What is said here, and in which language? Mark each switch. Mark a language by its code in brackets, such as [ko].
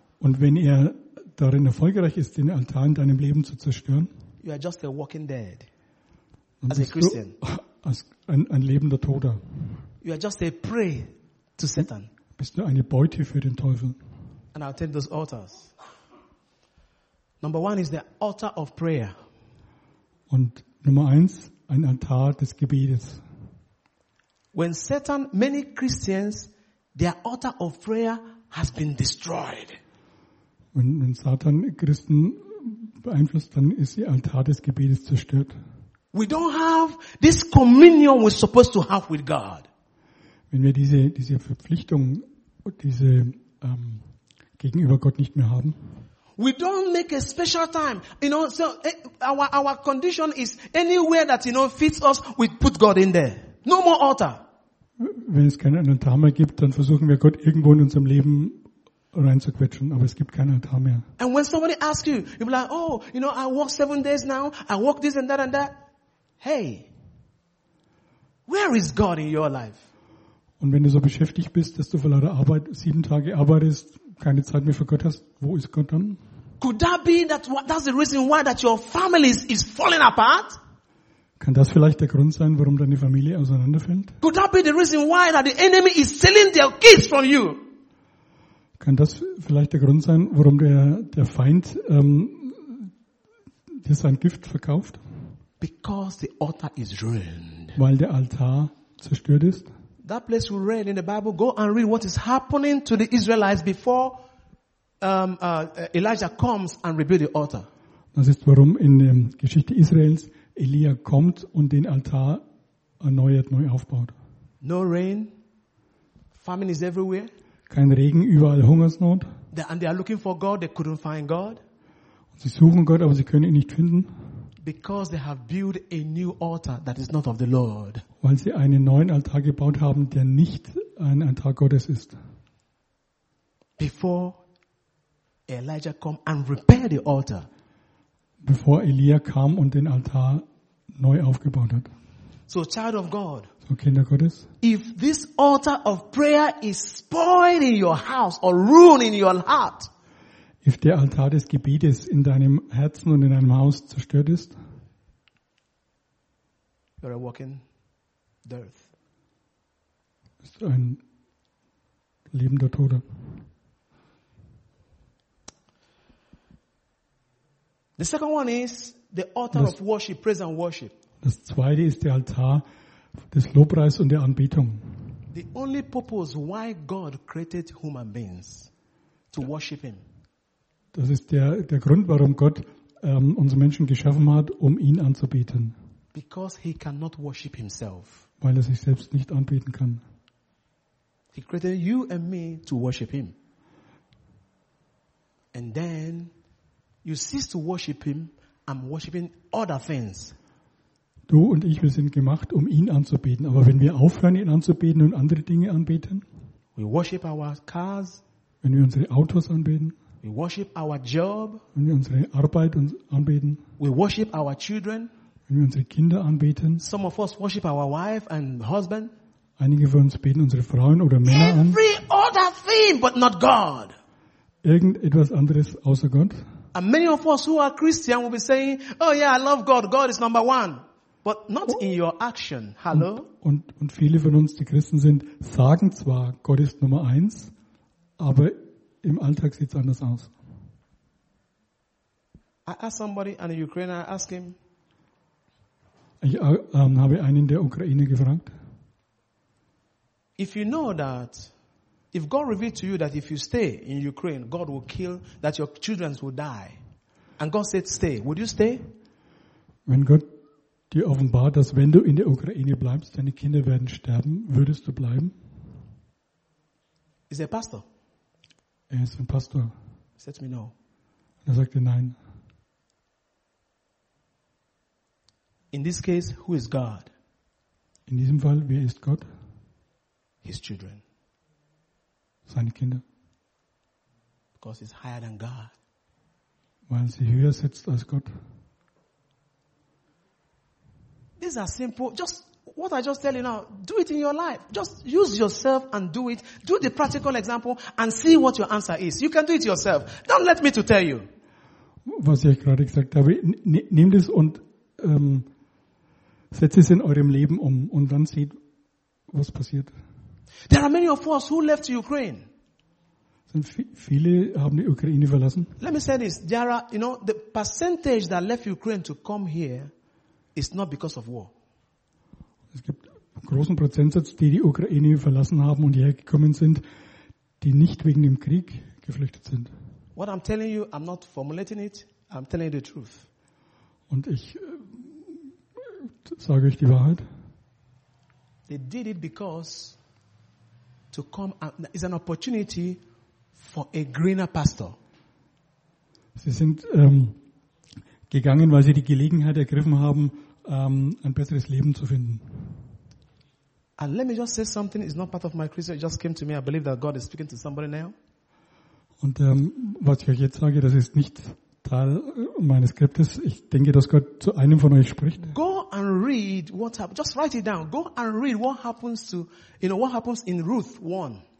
[de] und wenn er darin erfolgreich ist, den Altar in deinem Leben zu zerstören, [en] you are just a walking dead as a Christian. [de] Ein lebender Toter. [en] You are just a prey. To Satan. [de] Bist du eine Beute für den Teufel? [en] And I'll take those altars. Number 1 is the altar of prayer. [de] Und Nummer 1, ein Altar des Gebetes. [en] When Satan, many Christians, their altar of prayer has been destroyed. [de] Wenn Satan Christen beeinflusst, dann ist ihr Altar des Gebetes zerstört. [en] We don't have this communion we're supposed to have with God. [de] Wenn wir diese Verpflichtung, diese gegenüber Gott nicht mehr haben. [en] We don't make a special time. You know, so our condition is anywhere that, you know, fits us, we put God in there. No more altar. [de] Wenn es keinen Altar mehr gibt, dann versuchen wir Gott irgendwo in unserem Leben reinzuquetschen, aber es gibt keinen Altar mehr. [en] And when somebody asks you, you'll be like, oh, you know, I work 7 days now, I work this and that and that. Hey, where is God in your life? [de] Und wenn du so beschäftigt bist, dass du vor lauter Arbeit 7 Tage arbeitest, keine Zeit mehr für Gott hast, wo ist Gott dann? [en] Could that be that's the reason why that your family is falling apart? [de] Kann das vielleicht der Grund sein, warum deine Familie auseinanderfällt? [en] Could that be the reason why that the enemy is stealing their kids from you? [de] Kann das vielleicht der Grund sein, warum der Feind dir sein Gift verkauft? [en] Because the altar is ruined. [de] Weil der Altar zerstört ist. [en] That place we read in the Bible, go and read what is happening to the Israelites before Elijah comes and rebuilds the altar. [de] Das ist, warum in der Geschichte Israels Elia kommt und den Altar erneuert, neu aufbaut. [en] No rain, Famine is everywhere. [de] Kein Regen, überall Hungersnot. [en] And they are looking for God, they couldn't find God. [de] Sie suchen Gott, aber sie können ihn nicht finden. [en] Because they have built a new altar that is not of the Lord. [de] Weil sie einen neuen Altar gebaut haben, der nicht ein Altar Gottes ist. [en] Before Elijah come and repair the altar. [de] Bevor Elia kam und den Altar neu aufgebaut hat. [en] So child of God. [de] So Kinder Gottes. [en] If this altar of prayer is spoiled in your house or ruined in your heart. [de] If der Altar des Gebetes in deinem Herzen und in deinem Haus zerstört ist, [en] you're a walking dirt. [de] Bist du ein lebender Tode. [en] The second one is the altar of worship, praise and worship. [de] Das zweite ist der Altar des Lobpreises und der Anbetung. [en] The only purpose why God created human beings to worship him. [de] Das ist der Grund, warum Gott uns Menschen geschaffen hat, um ihn anzubeten. [en] Because he cannot worship himself. [de] Weil er sich selbst nicht anbeten kann. [en] He created you and me to worship him. And then you cease to worship him, I'm worshiping other things. [de] Du und ich, wir sind gemacht, um ihn anzubeten. Aber wenn wir aufhören, ihn anzubeten und andere Dinge anbeten, [en] we worship our cars, [de] wenn wir unsere Autos anbeten, [en] we worship our job, [de] wenn wir unsere Arbeit anbeten, [en] we worship our children, [de] wenn wir unsere Kinder anbeten, [en] some of us worship our wife and husband, [de] einige von uns beten unsere Frauen oder Männer an, [en] every other thing but not God. [de] Irgendetwas anderes außer Gott. [en] And many of us who are Christian will be saying, oh yeah, I love God, God is number one. But not in your action. Hello? [de] Und viele von uns, die Christen sind, sagen zwar, Gott ist Nummer eins, aber im Alltag sieht es anders aus. [en] I asked somebody in Ukraine, I asked him. [de] Ich habe einen der Ukraine gefragt. [en] If you know that, if God revealed to you that if you stay in Ukraine, God will kill, that your children will die, and God said stay, would you stay? [de] Wenn Gott dir offenbart, dass wenn du in der Ukraine bleibst, deine Kinder werden sterben, würdest du bleiben? [en] Is he a pastor? [de] Er ist ein Pastor. [en] He said to me no. [de] Er sagte nein. [en] In this case, who is God? [de] In diesem Fall, wer ist Gott? [en] His children. [de] Seine Kinder. [en] Because he's higher than God. [de] Weil sie höher sitzt als Gott. [en] These are simple. Just what I just tell you now, do it in your life. Just use yourself and do it. Do the practical example and see what your answer is. You can do it yourself. Don't let me to tell you. [de] Was ich gerade gesagt habe, nehmt es und setzt es in eurem Leben um und dann seht, was passiert. [en] There are many of us who left Ukraine. [de] Sind viele haben die Ukraine verlassen. [en] Let me say this. There are, you know, the percentage that left Ukraine to come here, it's not because of war. [de] Es gibt einen großen Prozentsatz, die Ukraine verlassen haben und hierher gekommen sind, die nicht wegen dem Krieg geflüchtet sind. [en] What I'm telling you, I'm not formulating it. I'm telling you the truth. [de] Und ich sage euch die Wahrheit. [en] They did it because to come is an opportunity for a greener pastor. [de] Sie sind gegangen, weil sie die Gelegenheit ergriffen haben, ein besseres Leben zu finden. [en] And let me just say something, it's not part of my Christian, it just came to me, I believe that God is speaking to somebody now. [de] Und was ich euch jetzt sage, das ist nicht Teil meines Skriptes, ich denke, dass Gott zu einem von euch spricht. [en] Go and read what happens, just write it down, go and read what happens to, you know, what happens in Ruth 1.